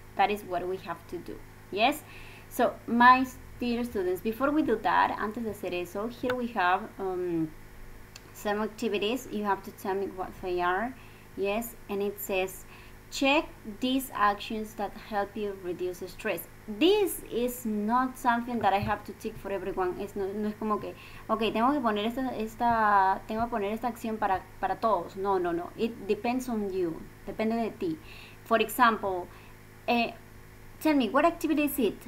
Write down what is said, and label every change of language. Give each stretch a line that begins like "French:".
English: That is what we have to do. Yes? So, my dear students, before we do that,
Spanish: antes de hacer eso,
English: here we have some activities. You have to tell me what they are. Yes, and it says, check these actions that help you reduce stress. This is not something that I have to tick for everyone.
Spanish: Es, no, no es como que, okay, tengo que poner esta acción para todos.
English: No, no, no. It depends on you.
Spanish: Depende de ti.
English: For example, tell me, what activity is it?